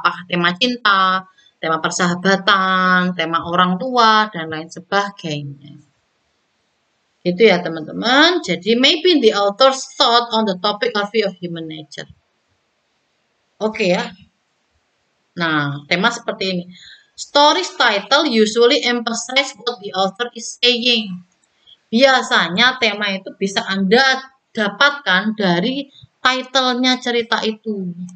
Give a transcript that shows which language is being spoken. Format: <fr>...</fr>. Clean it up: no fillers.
<id>Apakah tema cinta, tema persahabatan, tema orang tua, dan lain sebagainya. Itu ya teman-teman. Jadi</id> <en>maybe the author's thought on the topic of view of human nature.</en> <id>Oke ya. Nah, tema seperti ini.</id> <en>Story's title usually emphasize what the author is saying.</en> <id>Biasanya tema itu bisa Anda dapatkan dari title-nya cerita itu.</id>